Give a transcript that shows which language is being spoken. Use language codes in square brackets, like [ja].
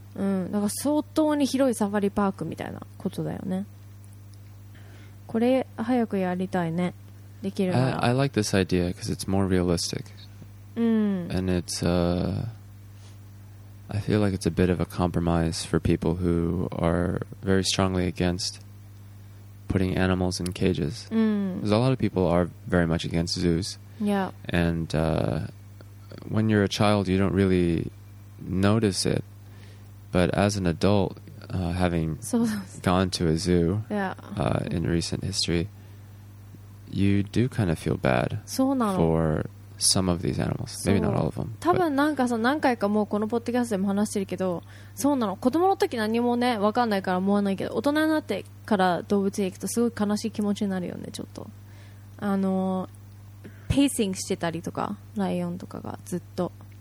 [ja] うん、なんか相当に広いサファリパークみたいなことだよねこれ早くやりたいねできるなら [en] I like this idea because it's more realistic、and it'sI feel like it's a bit of a compromise for people who are very strongly against putting animals in cages. Because a lot of people are very much against zoos. Yeah. And when you're a child, you don't really notice it. But as an adult, having gone to a zoo in recent history, you do kind of feel bad for... Some of these animals, maybe not all of them. [ja] 多分なんかさ何回かもうこのポッドキャストでも話してるけど、そうなの。子供の時何もね分かんないから思わないけど、大人になってから動物園行くとすごい悲しい気持ちになるよね。ちょっとペーシングしてたりとか、ライオンとかがずっと、